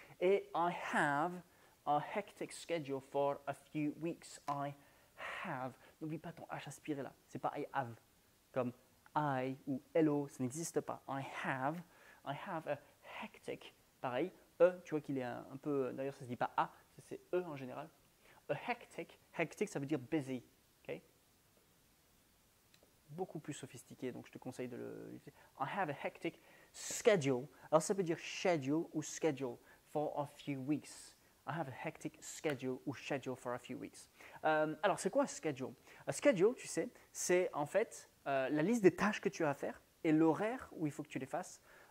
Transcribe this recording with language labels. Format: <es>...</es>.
<en>Et I have a hectic schedule for a few weeks. I have.</en> <fr>N'oublie pas ton H aspiré là. C'est pas</fr> <en>I have.</en> <fr>Comme I ou hello, ça n'existe pas.</fr> <en>I have a hectic.</en> <fr>Pareil, E, tu vois qu'il est un peu, d'ailleurs ça se dit pas A, c'est E en général.</fr> <en>A hectic.</en> <fr>Hectic, ça veut dire busy. Beaucoup plus sophistiqué, donc je te conseille de le...</fr> <en>I have a hectic schedule.</en> <fr>Alors, ça peut dire</fr> <en>schedule ou schedule for a few weeks. I have a hectic schedule ou schedule for a few weeks.</en> <fr>Alors, c'est quoi un schedule? Un schedule, tu sais, c'est en fait la liste des tâches que tu as à faire et l'horaire où il faut que tu les fasses.</fr>